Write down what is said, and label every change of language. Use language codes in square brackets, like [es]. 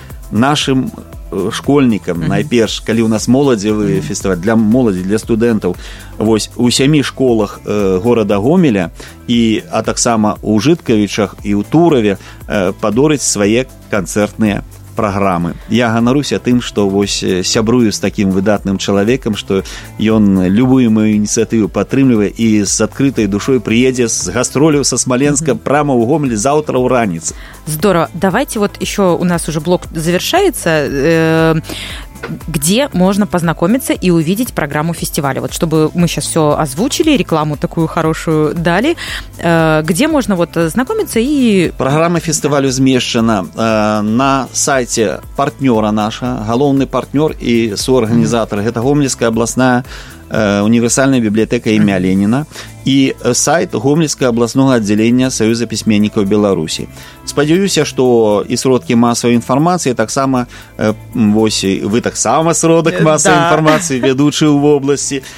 [be] нашым школьнікам, найперш, калі ў нас моладзевы фестываль, для моладзі, для студэнтаў, вось, у 7 школах горада Гомеля, і, а таксама у Жыткавічах і ў Турове падорыць свае канцэртныя праграмы. Я ганаруся тым, што вось сябрую з такім выдатным чалавекам, што ён любую маю ініцыятыву падтрымлівае і з адкрытай душой прыедзе з гастролю са Смаленска прама ў Гомель заўтра ў раніцы. [ru] Здорово. Давайте вот еще у нас уже блок завершается. Где можно познакомиться и увидеть программу фестиваля? Вот чтобы мы сейчас все озвучили, рекламу такую хорошую дали. Где можно вот знакомиться и... Программа фестивалю смещена на сайте партнера наша, головный партнер и соорганизатор. Это Гомельская областная [be] універсальная бібліятэка імя Леніна і сайт гомельскага абласнога аддзялення Саюза пісьменнікаў Беларусі. Спадзяюся, што і сродкі масавай інфармацыі таксама, вось вы таксама сродак масавай інфармацыі, вядучы ў вобласці.